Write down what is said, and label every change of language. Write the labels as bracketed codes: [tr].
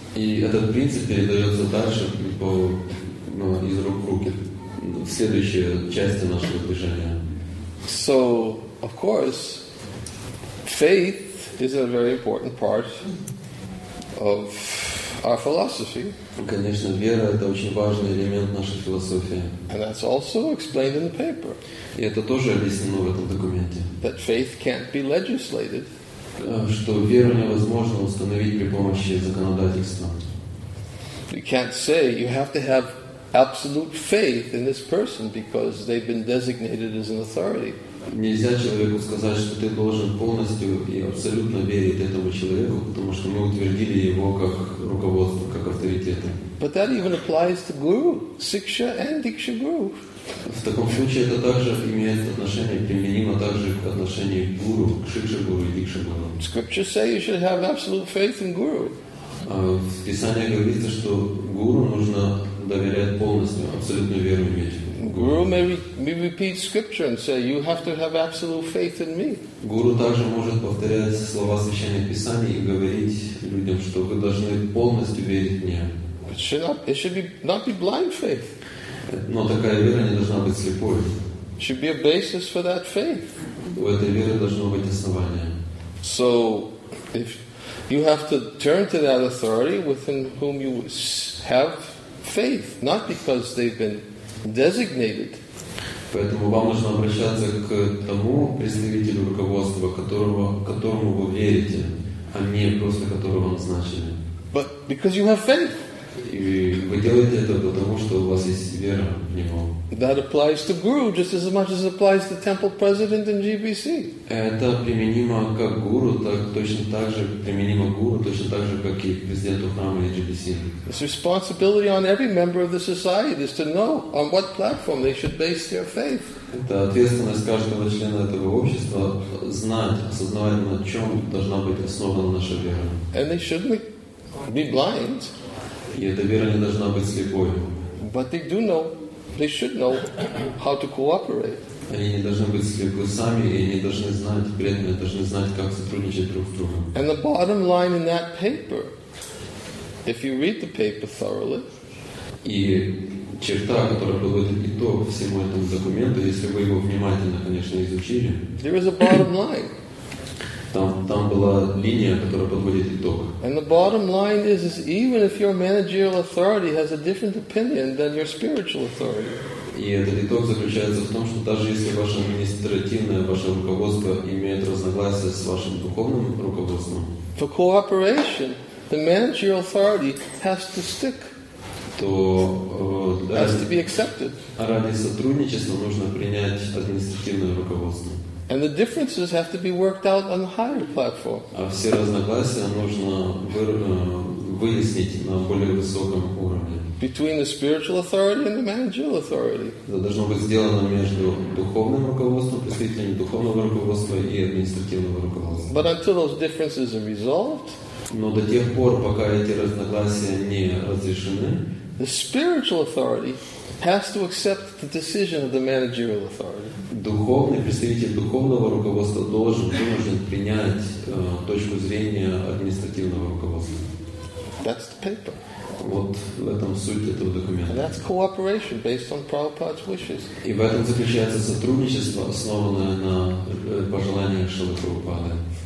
[ru] И этот принцип передается дальше по, ну, из рук в руки в следующие части нашего движения. [en] So, of course, faith is a very important part of our philosophy. [ru] Конечно, вера — это очень важный элемент нашей философии. [en] And that's also explained in the paper. [ru] И это тоже объяснено в этом документе. [en] That faith can't be legislated. [ru] Что веру невозможно установить при помощи законодательства. [en] You can't say you have to have absolute faith in this person because they've been designated as an authority. [ru] Нельзя человеку сказать, что ты должен полностью и абсолютно верить этому человеку, потому что мы утвердили его как руководство, как авторитета. [en] But that even applies to guru, siksha and diksha guru. [ru] В таком случае это также имеет отношение, применимо также к отношению к гуру, к шикша гуру и дикша гуру. [en] Scripture says you should have absolute faith in guru. [ru] В Писании говорится, что гуру нужно доверять полностью, абсолютную веру иметь. [en] Guru may repeat scripture and say, you have to have absolute faith in me. [ru] Guru также может повторять слова Священного Писания и говорить людям, что вы должны полностью верить мне. [en] It should not, be blind faith. [ru] Но такая вера не должна быть слепой. [en] Should be a basis for that faith. [ru] У этой веры должно быть основание. [en] So, if you have to turn to that authority within whom you have faith, not because they've been designated. [ru] Поэтому вам нужно обращаться к тому представителю руководства, которому вы верите, а не просто которого назначили. [en] But because you have faith. [ru] И вы делаете это потому, что у вас есть вера в него. [en] That applies to guru just as much as applies to temple president and GBC. [ru] Это применимо как гуру, так точно так же применимо гуру, точно так же, как и президенту храма и GBC. [en] It's responsibility on every member of the society is to know on what platform they should base their faith. [ru] Это ответственность каждого члена этого общества знать, осознавать, на чем должна быть основана наша вера. [en] And they shouldn't be blind. [ru] И эта вера не должна быть слепой. [en] But they do know. They should know how to cooperate. [ru] Они не должны быть слепы сами, и они должны знать, при этом они должны знать, как сотрудничать друг с другом. [en] And the bottom line in that paper, if you read the paper thoroughly, [ru] и черта, которая подводит итог всему этому документу, если вы его внимательно, конечно, изучили, [en] there is a bottom line. [ru] Там была линия, которая подводит итог. [en] And the bottom line is even if your managerial authority has a different opinion than your spiritual authority. [ru] И этот итог заключается в том, что даже если ваше административное, ваше руководство имеет разногласия с вашим духовным руководством, [en] for cooperation, the managerial authority has to stick. [ru] То [en] has to be accepted. [ru] Ради сотрудничества нужно принять административное руководство. [en] And the differences have to be worked out on the higher platform. [ru] А все разногласия нужно выяснить на более высоком уровне. [en] Between the spiritual authority and the managerial authority. [ru] Это должно быть сделано между духовным руководством, представителями духовного руководства и административного руководства. [en] But until those differences are resolved, [ru] но до тех пор, пока эти разногласия не разрешены, [en] the spiritual authority has to accept the decision of the managerial authority. [ru] Духовный представитель духовного руководства должен принять точку зрения административного руководства. [en] That's the paper. [ru] Вот в этом суть этого документа. [en] And that's cooperation based on Prabhupada's wishes. [ru] И в этом заключается сотрудничество, основанное на пожеланиях Шрилы Прабхупады.